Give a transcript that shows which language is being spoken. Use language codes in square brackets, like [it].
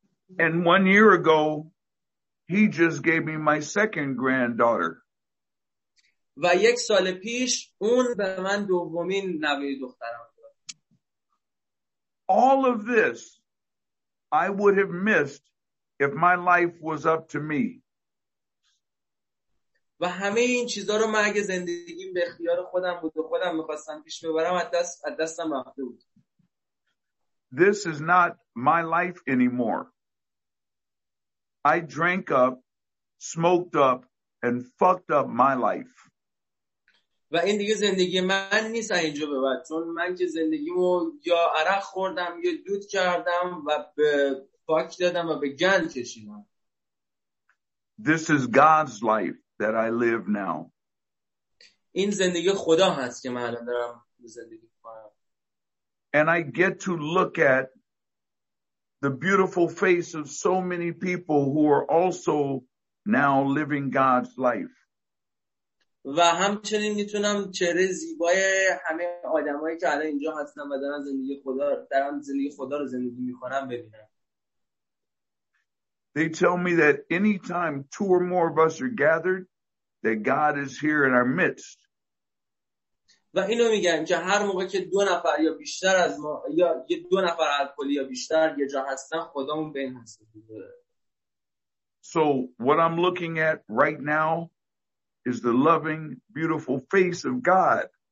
[en] And 1 year ago he just gave me my second granddaughter. [fa] و 1 سال پیش اون به من دومین نوه دخترم. [en] All of this I would have missed if my life was up to me. [fa] و همه این چیزا رو من اگه زندگیم به اختیار خودم بود و خودم می‌خواستم پیش ببرم از دستم رفته بود. [en] This is not my life anymore. I drank up, smoked up, and fucked up my life. [fa] و این دیگه زندگی من نیست اینجا به بعد، چون من که زندگیمو یا عرق خوردم یا دود کردم و به پاک دادم و به گند کشیدم. [en] This is God's life that I live now. [fa] این زندگی خدا هست که من الان دارم زندگی می‌کنم. [en] And I get to look at the beautiful face of so many people who are also now living God's life. [fa] و همچنین میتونم چهره زیبای همه آدمایی که الان اینجا هستن و دارن زندگی خدا دارن زندگی خدا رو زندگی میکنن ببینم. [en] They tell me that anytime two or more of us are gathered, that God is here in our midst. [fa] و اینو میگن که هر موقع که دو نفر یا بیشتر از ما یا دو نفر الکلی یا بیشتر یه جا هستن خدامون بین هست. [en] So what I'm looking at right now is the loving, beautiful face of God.